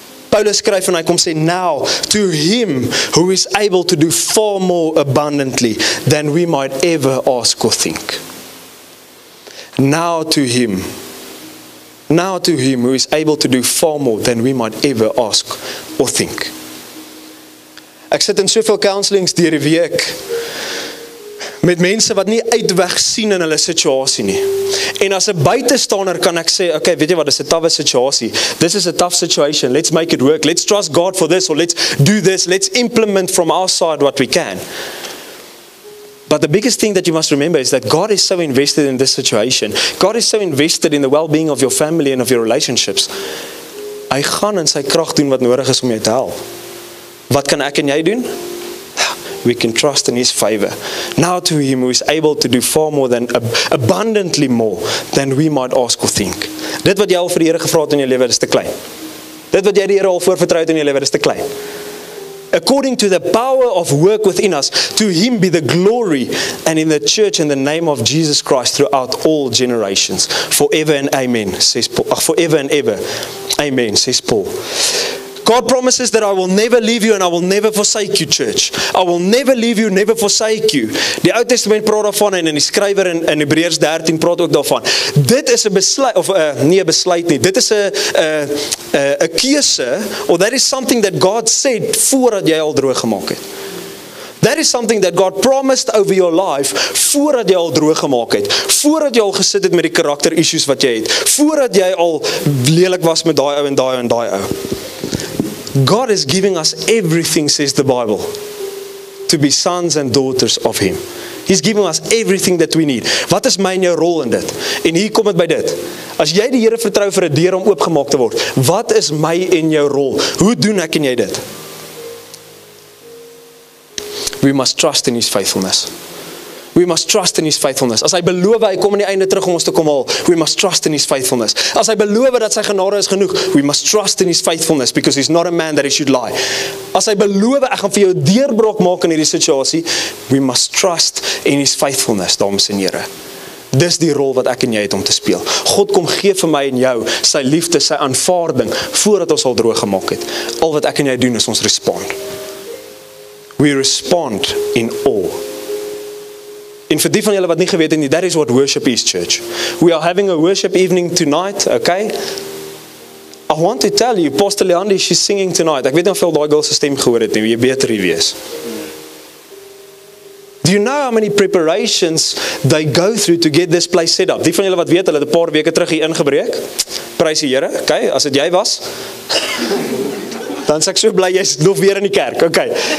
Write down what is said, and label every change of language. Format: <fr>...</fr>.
<af>Paulus skryf en hy kom sê</af> <en>now to him who is able to do far more abundantly than we might ever ask or think. Now to him. Now to him who is able to do far more than we might ever ask or think.</en> <af>Ek sit in soveel counselings deur die week met mense wat nie uitweg sien in hulle situasie nie. En as 'n buitestander kan ek sê, okay, weet jy wat, dis 'n tough situasie.</af> <en>This is a tough situation. Let's make it work. Let's trust God for this or let's do this. Let's implement from our side what we can. But the biggest thing that you must remember is that God is so invested in this situation. God is so invested in the well-being of your family and of your relationships.</en> <af>Hy gaan in sy krag doen wat nodig is om jou te help. Wat kan ek en jy doen?</af> <en>We can trust in his favor. Now to him who is able to do far more than abundantly more than we might ask or think.</en> <af>Dit wat jy al vir die Here gevra het in jou lewe is te klein. Dit wat jy die Here al voorvertrou het in jou lewe is te klein.</af> <en>According to the power of work within us, to him be the glory and in the church in the name of Jesus Christ throughout all generations, forever and amen, says Paul. Forever and ever. Amen, says Paul. God promises that I will never leave you and I will never forsake you, church. I will never leave you, never forsake you.</en> <af>Die Ou Testament praat daarvan en in die skrywer in Hebreërs 13 praat ook daarvan. Dit is 'n besluit of nie 'n besluit nie. Dit is 'n keuse,</af> <en>or that is something that God said</en> <af>voordat jy al droog gemaak het.</af> <en>That is something that God promised over your life</en> <af>voordat jy al droog gemaak het, voordat jy al gesit het met die karakter issues wat jy het, voordat jy al lelik was met daai ou en daai en daai ou.</af> <en>God is giving us everything, says the Bible, to be sons and daughters of Him. He's giving us everything that we need.</en> <af>Wat is my en jou rol in dit? En hier kom het by dit. As jy die Here vertrou vir 'n deur om oopgemaak te word, wat is my en jou rol? Hoe doen ek en jy dit?</af> <en>We must trust in His faithfulness. We must trust in His faithfulness.</en> <af>As hy beloof, hy kom in die einde terug om ons te kom haal.</af> <en>We must trust in His faithfulness.</en> <af>As hy beloof dat sy genade is genoeg,</af> <en>we must trust in His faithfulness because He's not a man that He should lie.</en> <af>As hy beloof, ek gaan vir jou deurbrok maak in hierdie situasie,</af> <en>we must trust in His faithfulness,</en> <af>dames en here. Dis die rol wat ek en jy het om te speel. God kom gee vir my en jou sy liefde, sy aanvaarding, voordat ons al droog gemaak het. Al wat ek en jy doen is ons respond.</af> <en>We respond in awe.</en> <af>En vir die van julle wat nie geweet het nie,</af> <en>that is what worship is, church. We are having a worship evening tonight, okay? I want to tell you, Pastor Leandi, she's singing tonight.</en> <af>Ek weet nie hoeveel daai girl se stem gehoor het nie, jy beter hier wees.</af> <en>Do you know how many preparations they go through to get this place set up?</en> <af>Die van julle wat weet, hulle het 'n paar weke terug hier ingebreek. Prys die Here, okay, as dit jy was. Dan sê ek so bly, jy's nog weer in die kerk, okay.</af>